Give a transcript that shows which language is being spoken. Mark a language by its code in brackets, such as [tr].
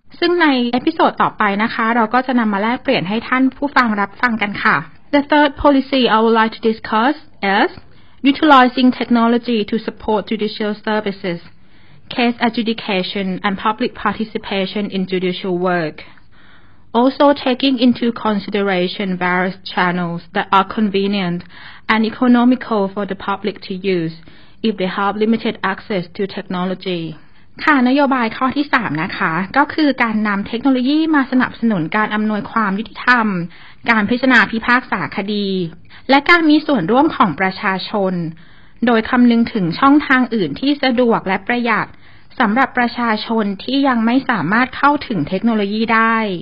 [th] ซึ่งในเอพิโซดต่อไปนะคะเราก็จะนำมาแลกเปลี่ยนให้ท่านผู้ฟังรับฟังกันค่ะ [en] The third policy I would like to discuss is utilizing technology to support judicial services, case adjudication and public participation in judicial work. Also taking into consideration various channels that are convenient and economical for the public to use if they have limited access to technology. [th] ค่ะนโยบายข้อที่3นะคะก็คือการนำเทคโนโลยีมาสนับสนุนการอำนวยความยุติธรรมการพิจารณาพิพากษาคดีและการมีส่วนร่วมของประชาชนโดยคำนึงถึงช่องทางอื่นที่สะดวกและประหยัดสำหรับประชาชนที่ยังไม่สามารถเข้าถึงเทคโนโลยีได้